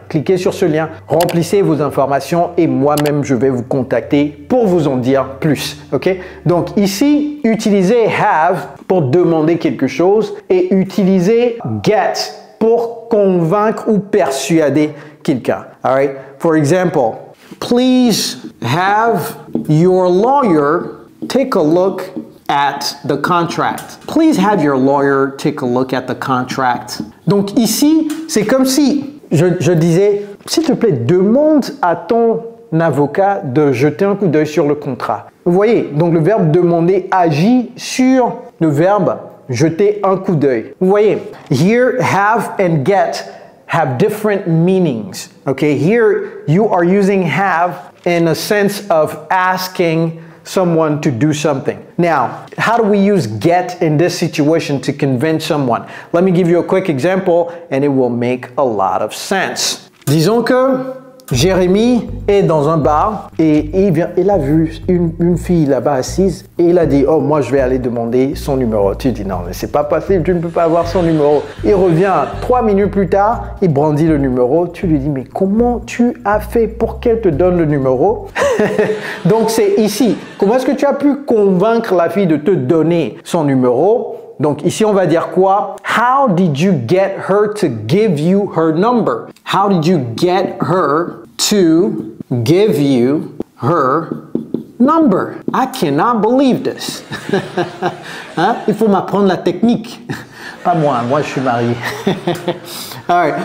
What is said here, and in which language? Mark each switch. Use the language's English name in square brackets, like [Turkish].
[French] Cliquez sur ce lien, remplissez vos informations et moi-même, je vais vous contacter pour vous en dire plus. Ok, donc ici, utilisez have pour demander quelque chose et utilisez get pour convaincre ou persuader quelqu'un. [English] All right? For example, please have your lawyer take a look at the contract. Please have your lawyer take a look at the contract. [French] Donc ici, c'est comme si je disais, s'il te plaît, demande à ton avocat de jeter un coup d'œil sur le contrat. Vous voyez, donc le verbe demander agit sur le verbe jeter un coup d'œil. Vous voyez, [English] here, have and get have different meanings. Okay, here you are using have in a sense of asking someone to do something. Now, how do we use get in this situation to convince someone? Let me give you a quick example and it will make a lot of sense. [French] Disons que Jérémy est dans un bar et il a vu une fille là-bas assise et il a dit « Oh, moi, je vais aller demander son numéro. » Tu dis « Non, mais c'est pas possible, tu ne peux pas avoir son numéro. » Il revient 3 minutes plus tard, il brandit le numéro. Tu lui dis « Mais comment tu as fait pour qu'elle te donne le numéro ?» Donc, c'est ici. Comment est-ce que tu as pu convaincre la fille de te donner son numéro ? Donc ici, on va dire quoi? [English] How did you get her to give you her number? How did you get her to give you her number? I cannot believe this. Hein? [French] Il faut m'apprendre la technique. Pas moi, moi je suis marié. [English] All right.